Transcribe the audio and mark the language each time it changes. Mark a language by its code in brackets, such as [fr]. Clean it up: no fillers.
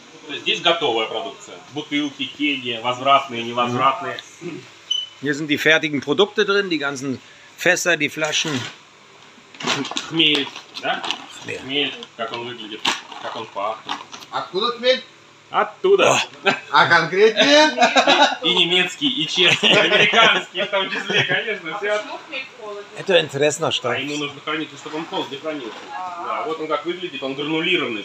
[ru] То есть здесь готовая продукция. Бутылки, кеги, возвратные, невозвратные. [de] Hier sind die fertigen Produkte drin, die ganzen Fässer, die Flaschen. [ru] Хмель, да? Хмель, как он выглядит, как он пахнет. Откуда хмель? Оттуда. А конкретнее? И немецкий, и чешский, и американский, в том числе, конечно. А почему хмель холодный? Это интересно, что... А ему нужно хранить, чтобы он холодный хранился. Да, вот он как выглядит, он гранулированный.